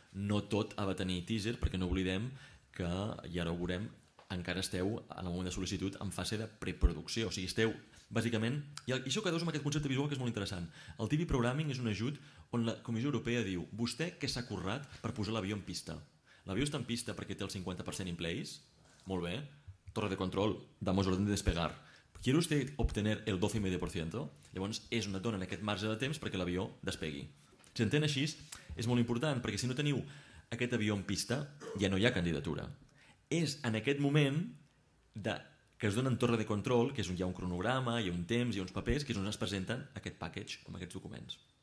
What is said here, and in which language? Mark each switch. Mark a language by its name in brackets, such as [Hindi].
[Catalan] No tot ha de tenir teaser, perquè no oblidem que, i ara ho veurem, encara esteu en el moment de sol·licitud en fase de preproducció, o sigui, esteu bàsicament, i això quedeu amb aquest concepte visual que és molt interessant. El TV Programming és un ajut on la Comissió Europea diu vostè què s'ha currat per posar l'avió en pista. L'avió està en pista perquè té el 50% in place, molt bé, torre de control, [Spanish] damos orden de despegar. ¿Quiere usted obtener el 12,5%? [Catalan] Llavors és una dona en aquest marge de temps perquè l'avió despegui. Si entén així, és molt important, perquè si no teniu aquest avió en pista, ja no hi ha candidatura. És en aquest moment que es dona en torre de control, que és on hi ha un cronograma, hi ha un temps, hi ha uns papers, que és on es presenten aquest package amb aquests documents.